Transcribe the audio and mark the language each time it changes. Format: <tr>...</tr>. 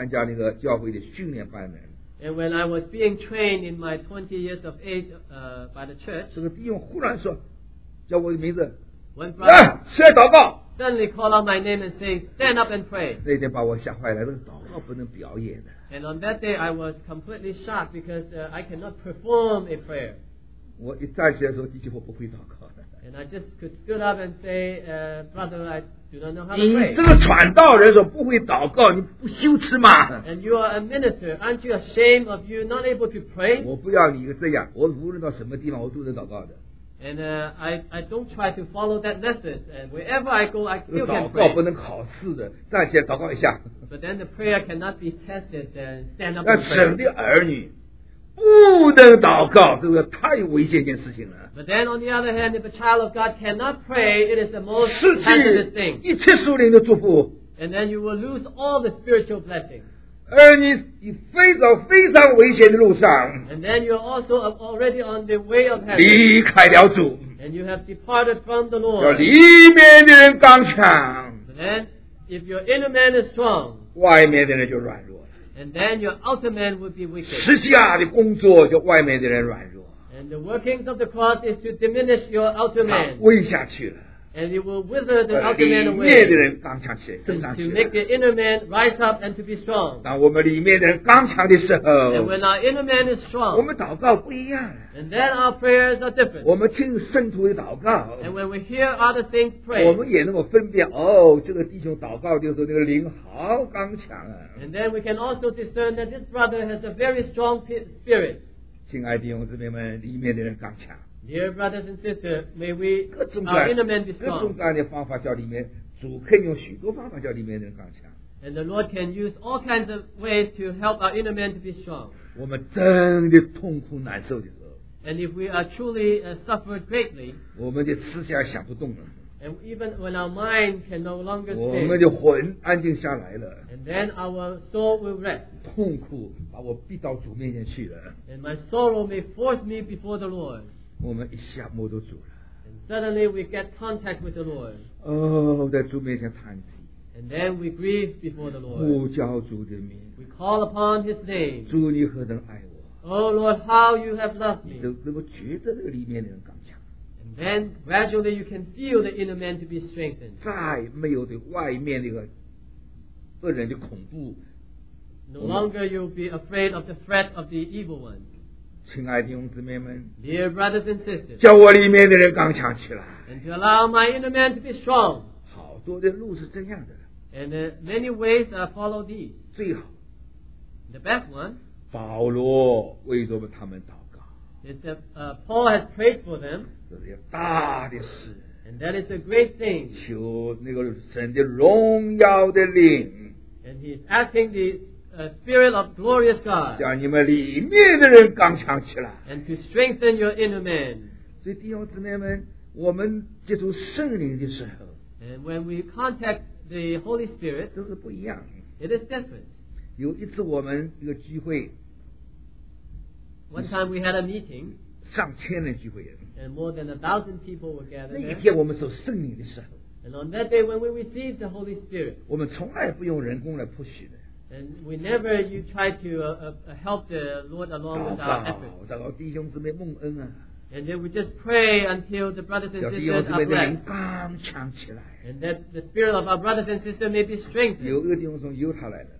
<zh>从前我二十多岁的时候参加那个教会的训练班呢,</zh> <en>and when I was being trained in my 20 years of age by the church,</en> <zh>这个弟兄忽然说, 叫我的名字,</zh> <en>one brother,</en> <zh>起来祷告,</zh> <en>suddenly called out my name and say, stand up and pray.</en> <zh>那天把我吓坏了, 这个祷告不能表演的,</zh> <en>and on that day I was completely shocked because I cannot perform a prayer.</en> <zh>我一站起来的时候弟兄我不会祷告的,</zh> <en>and I just could stood up and say, brother, I do not know how to pray.</en> <zh>你这个传道人说不会祷告, 你不羞耻吗?</zh> <en>And you are a minister, aren't you ashamed of you not able to pray?</en> <zh>我不要你这样, 我无论到什么地方, 我都能祷告的,</zh> <en>and I don't try to follow that method, and wherever I go I still can pray.</en> <zh>祷告不能考试的, 站起来祷告一下,</zh> <en>but then the prayer cannot be tested, stand up.</en> <zh>那神的儿女 不能祷告, 这个太危险一件事情了,</zh> <en>but then on the other hand, if a child of God cannot pray, it is the most hazardous thing.</en> <zh>失去一切属灵的祝福,</zh> <en>and then you will lose all the spiritual blessings.</en> <zh>而你非常非常危险的路上,</zh> <en>and then you are also already on the way of heaven.</en> <zh>离开了主,</zh> <en>and you have departed from the Lord.</en> <zh>里面的人刚强,</zh> <en>but then if your inner man is strong,</en> <zh>外面的人就软弱,</zh> <en>and then your outer man would be wicked.</en> <zh>施加的工作就外面的人软弱,</zh> <en>and the workings of the cross is to diminish your outer man.</en> <zh>他微下去了,</zh> <en>and it will wither the outer man away.</en> <zh>里面的人刚强起来, 正常起来,</zh> <en>to make the inner man rise up and to be strong.</en> <zh>当我们里面的人刚强的时候,</zh> <en>and when our inner man is strong,</en> <zh>我们祷告不一样,</zh> <en>and then our prayers are different.</en> <zh>我们听圣徒的祷告,</zh> <en>and when we hear other things pray,</en> <zh>我们也那么分辨, 哦, 这个弟兄祷告的时候那个灵好刚强啊,</zh> <en>and then we can also discern that this brother has a very strong spirit.</en> <zh>亲爱的弟兄姊妹们, 里面的人刚强,</zh> <en>dear brothers and sisters, may we, our inner man be strong.</en> <zh>各种各样的方法叫里面, 主可以用许多方法叫里面的人刚强,</zh> <en>and the Lord can use all kinds of ways to help our inner man to be strong.</en> <zh>我们真的痛苦难受的时候,</zh> <en>and if we are truly suffered greatly,</en> <zh>我们的思想想不动了,</zh> <en>and even when our mind can no longer stay,</en> <zh>我们的魂安静下来了,</zh> <en>and then our soul will rest,</en> <zh>痛苦把我逼到主面前去了,</zh> <en>and my sorrow may force me before the Lord.</en> <zh>我们一下摸到主了,</zh> <en>and suddenly we get contact with the Lord.</en> <zh>哦，在主面前叹息,</zh> <en>and then we grieve before the Lord.</en> <zh>呼叫主的名,</zh> <en>we call upon his name.</en> <zh>主你何等爱我,</zh> <en>oh Lord, how you have loved me.</en> <zh>你就能够觉得那个里面的人刚强,</zh> <en>and then gradually you can feel the inner man to be strengthened.</en> <zh>再没有对外面那个恶人的恐怖,</zh> <en>no longer you'll be afraid of the threat of the evil ones.</en> <zh>亲爱的弟兄姊妹们</zh> <en>Dear brothers and sisters,</en> <zh>叫我里面的人刚强起来</zh> <en>And to allow my inner man to be strong</en> <zh>好多的路是这样的</zh> <en>And many ways I follow these</en> <zh>最好</zh> <en>The best one</en> <zh>保罗为着他们祷告</zh> <en>It's that, Paul has prayed for them</en> <zh>这是大的事</zh> <en>And that is a great thing</en> <zh>求那个神的荣耀的灵</zh> <en>And he's asking the spirit of glorious God</en> <zh>叫你们里面的人刚强起来</zh> <en>and to strengthen your inner man</en> <zh>所以弟兄姊妹们我们接触圣灵的时候</zh> <en>and when we contact the Holy Spirit</en> <zh>都是不一样</zh> <en>it is different</en> <zh>有一次我们一个聚会</zh> <en>one time we had a meeting</en> <zh>上千人聚会</zh> <en>and more than 1,000 people were gathered</en> <zh>那一天我们受圣灵的时候</zh> <en>and on that day when we received the Holy Spirit</en> <zh>我们从来不用人工来 push 的</zh> <en>And we never you try to help the Lord along with our efforts. And then we just pray until the brothers and sisters are blessed. And that the spirit of our brothers and sisters may be strengthened.</en>